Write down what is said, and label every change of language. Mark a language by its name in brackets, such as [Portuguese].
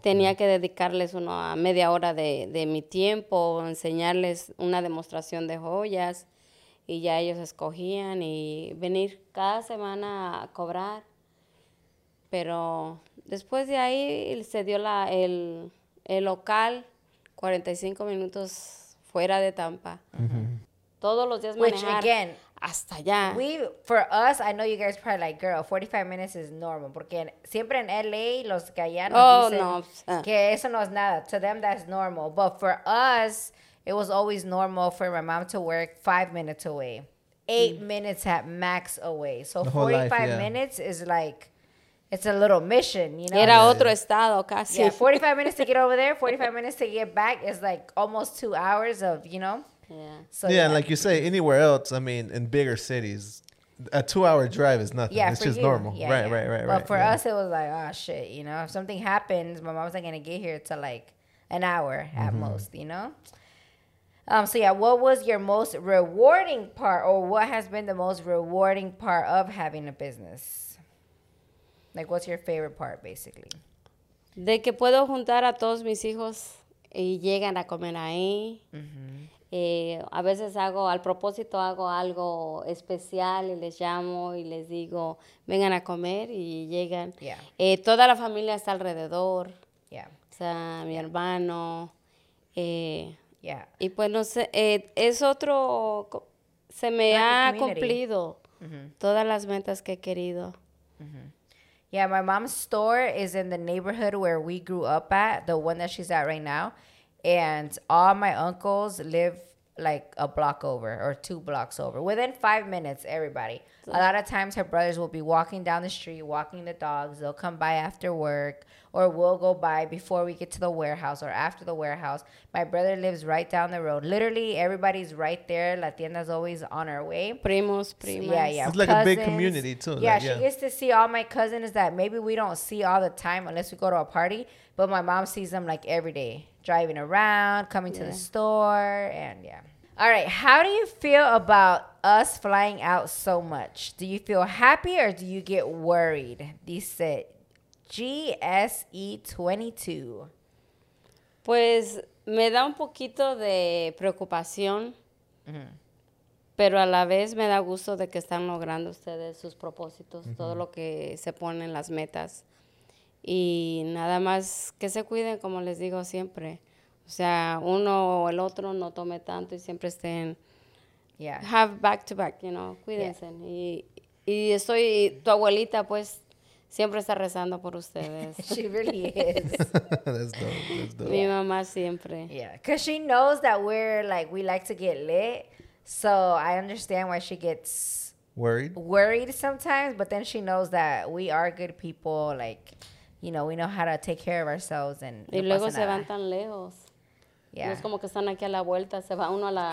[Spanish] Tenía que dedicarles uno a media hora de mi tiempo, enseñarles una demostración de joyas y ya ellos escogían y venir cada semana a cobrar. Pero después de ahí se dio el local 45 minutos fuera de Tampa. Mm-hmm. Todos los días manejar hasta allá. [English] We, for us, I know you guys probably like, girl, 45 minutes is normal. [Spanish] Porque siempre en LA, los que allá nos dicen que eso no es nada. [English] To them, that's normal. But for us, it was always normal for my mom to work 5 minutes away. Eight minutes at max away. So 45 minutes is like... It's a little mission, you know? [Spanish] Era otro estado casi. [English] Yeah, 45 minutes to get over there, 45 minutes to get back is like almost 2 hours of, you know? Yeah. So yeah, and like you say, anywhere else, I mean, in bigger cities, a 2 hour drive is nothing. Yeah, it's just you. Normal. Yeah, right, yeah. But for us, it was like, oh shit, you know? If something happens, my mom's not going to get here to like an hour at most, you know? So yeah, what was your most rewarding part or what has been the most rewarding part of having a business? Like, what's your favorite part, basically? [Spanish] De que puedo juntar a todos mis hijos y llegan a comer ahí. Mm-hmm. A veces hago, al propósito, hago algo especial y les llamo y les digo, vengan a comer y llegan. [English] Yeah. [Spanish] Toda la familia está alrededor. [English] Yeah. [Spanish] O sea, mi hermano. [English] Yeah. [Spanish] Y pues, no sé, es otro, se me like ha cumplido todas las metas que he querido. [English] Yeah, my mom's store is in the neighborhood where we grew up at, the one that she's at right now. And all my uncles live like a block over or two blocks over. Within 5 minutes, everybody. So, a lot of times her brothers will be walking down the street, walking the dogs. They'll come by after work or we'll go by before we get to the warehouse or after the warehouse. My brother lives right down the road. Literally, everybody's right there. [Spanish] La tienda's [English] always on our way. [Spanish] Primos, primas. [English] Yeah, yeah. It's like cousins. A big community too. Yeah, like, she gets to see all my cousins that maybe we don't see all the time unless we go to a party. But my mom sees them like every day. Driving around, coming to the store, and All right, how do you feel about us flying out so much? Do you feel happy or do you get worried? [Spanish] Dice GSE22. Pues me da un poquito de preocupación, pero a la vez me da gusto de que están logrando ustedes sus propósitos, todo lo que se ponen las metas. Y nada más que se cuiden, como les digo siempre. O sea, uno o el otro no tome tanto y siempre estén, [English] have back to back, you know, [Spanish] cuídense. Yeah. Y estoy, tu abuelita, pues, siempre está rezando por ustedes. [English] She really is. That's dope. [Spanish] Mi mamá siempre. [English] Yeah, because she knows that we like to get lit. So I understand why she gets worried sometimes. But then she knows that we are good people. Like, you know, we know how to take care of ourselves. [Spanish] Y luego se van tan lejos. Yeah. No es como que están aquí a la vuelta, se va uno a la...